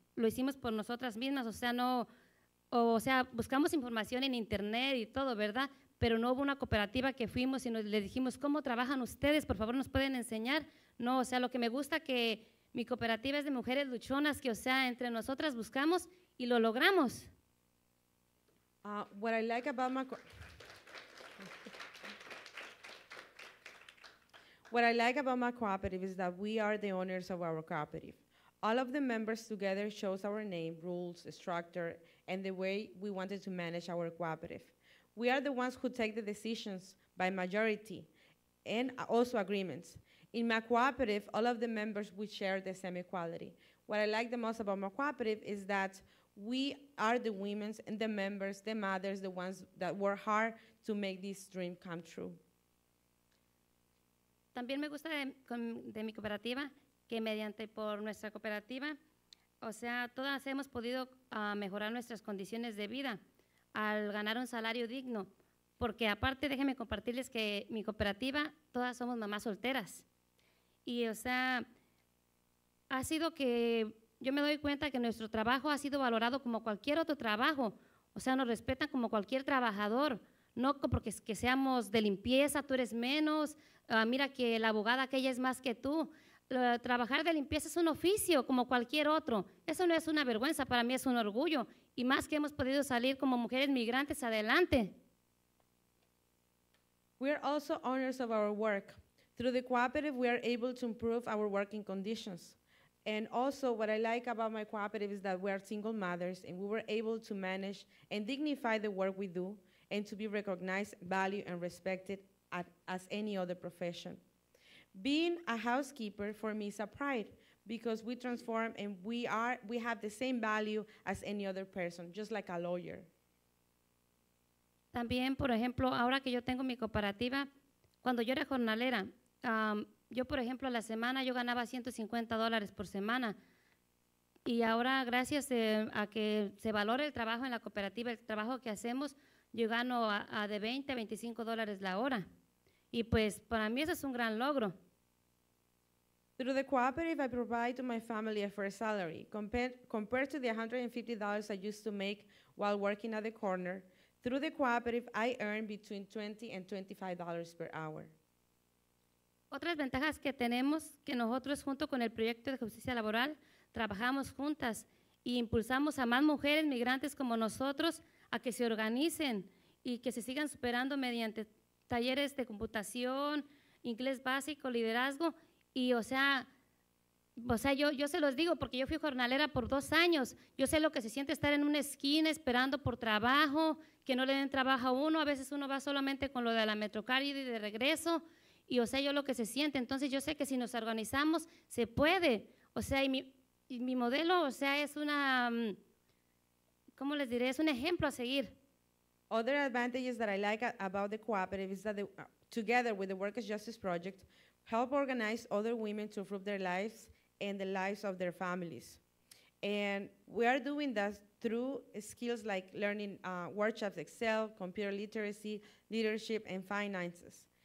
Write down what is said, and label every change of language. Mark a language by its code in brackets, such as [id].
[es] Lo hicimos por nosotras mismas, o sea, buscamos información en internet y todo, ¿verdad? Pero no hubo una cooperativa que fuimos y le dijimos, ¿cómo trabajan ustedes? Por favor, ¿nos pueden enseñar? No, o sea, lo que me gusta que mi cooperativa es de mujeres luchonas que, o sea, entre nosotras buscamos y lo logramos. [en] What I like about my cooperative is that we are the owners of our cooperative. All of the members together chose our name, rules, structure, and the way we wanted to manage our cooperative. We are the ones who take the decisions by majority and also agreements. In my cooperative, all of the members, we share the same equality. What I like the most about my cooperative is that we are the women and the members, the mothers, the ones that work hard to make this dream come true. [es] También me gusta de mi cooperativa que mediante por nuestra cooperativa, o sea, todas hemos podido mejorar nuestras condiciones de vida al ganar un salario digno. Porque aparte, déjenme compartirles que mi cooperativa, todas somos mamás solteras. Y, o sea, ha sido que yo me doy cuenta que nuestro trabajo ha sido valorado como cualquier otro trabajo. O sea, nos respetan como cualquier trabajador. No porque es que seamos de limpieza, tú eres menos. Mira que la abogada aquella es más que tú. Trabajar de limpieza es un oficio como cualquier otro. Eso no es una vergüenza, para mí es un orgullo. Y más que hemos podido salir como mujeres migrantes adelante. [en] We are also owners of our work. Through the cooperative, we are able to improve our working conditions. And also, what I like about my cooperative is that we are single mothers, and we were able to manage and dignify the work we do, and to be recognized, valued, and respected as any other profession. Being a housekeeper for me is a pride, because we transform and we have the same value as any other person, just like a lawyer. [es] También, por ejemplo, ahora que yo tengo mi cooperativa, cuando yo era jornalera, yo, por ejemplo, a la semana yo ganaba $150 por semana. Y ahora, gracias a que se valore el trabajo en la cooperativa, el trabajo que hacemos, yo gano de 20 a $25 la hora. Y pues, para mí eso es un gran logro. [en] Through the cooperative, I provide to my family a fair salary. Compared to the $150 I used to make while working at the corner, through the cooperative, I earn between $20 and $25 per hour. [es] Otras ventajas que tenemos, que nosotros junto con el proyecto de justicia laboral, trabajamos juntas e impulsamos a más mujeres migrantes como nosotros a que se organicen y que se sigan superando mediante talleres de computación, inglés básico, liderazgo. Y o sea yo se los digo porque yo fui jornalera por 2 años. Yo sé lo que se siente estar en una esquina esperando por trabajo, que no le den trabajo a uno. A veces uno va solamente con lo de la Metrocard y de regreso. Y o sea, yo lo que se siente, entonces yo sé que si nos organizamos, se puede. O sea, y mi modelo, o sea, es una, ¿cómo les diré? Es un ejemplo a seguir. [en] Other advantages that I like about the cooperative is that together with the Workers' Justice Project, help organize other women to improve their lives and the lives of their families. And we are doing that through skills like learning workshops, Excel, computer literacy, leadership, and finances.